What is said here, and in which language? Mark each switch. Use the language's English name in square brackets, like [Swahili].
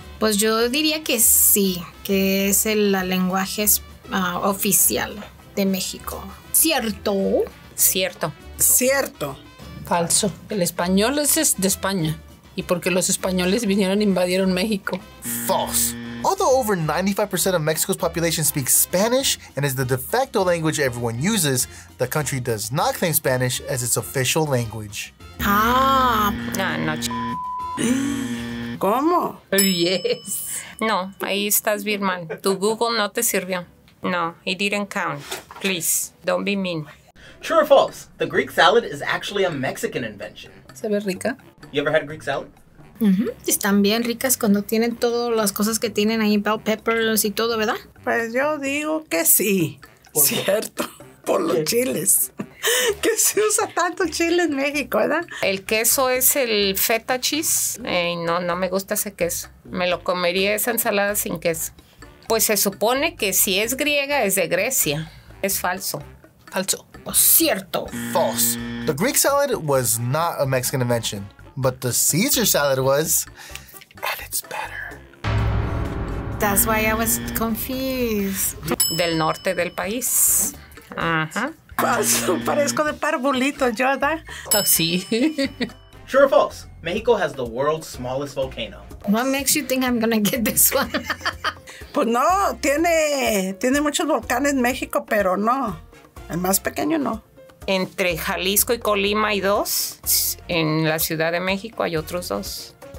[Spanish] Pues yo diría que sí, que es el lenguaje oficial de México. ¿Cierto? Cierto. Cierto. Falso. El español es de España. Y porque los españoles vinieron e invadieron México. [English] False. Although over 95% of Mexico's population speaks Spanish and is the de facto language everyone uses, the country does not claim Spanish as its official language. Ah. [Spanish] No, no. ¿Cómo? [English] Yes. [Spanish] No, ahí estás bien mal. Tu Google no te sirvió. [English] No, it didn't count. Please, don't be mean. True or false? The Greek salad is actually a Mexican invention. [Spanish] ¿Sabe rica? [English] You ever had a Greek salad? Mm-hmm. [Spanish] Están bien ricas cuando tienen todas las cosas que tienen ahí, bell peppers y todo, ¿verdad? Pues yo digo que sí. ¿Por cierto? ¿Qué? Por los chiles. Que se usa tanto chile en México, ¿verdad? El queso es el feta cheese. No, no me gusta ese queso. Me lo comería esa ensalada sin queso. Pues se supone que si es griega, es de Grecia. Es falso. Falso. Cierto. [English] False. The Greek salad was not a Mexican invention, but the Caesar salad was, and it's better. That's why I was confused. [Spanish] Del norte del país. Uh-huh. Falso. Parezco de parbolito, yo, ¿verdad? Oh, sí. [English] True or false? Mexico has the world's smallest volcano. What makes you think I'm gonna get this one? [Spanish] Pues no, tiene muchos volcanes en México, pero no. El más pequeño, no. Entre Jalisco y Colima hay dos. En la Ciudad de México hay otros dos.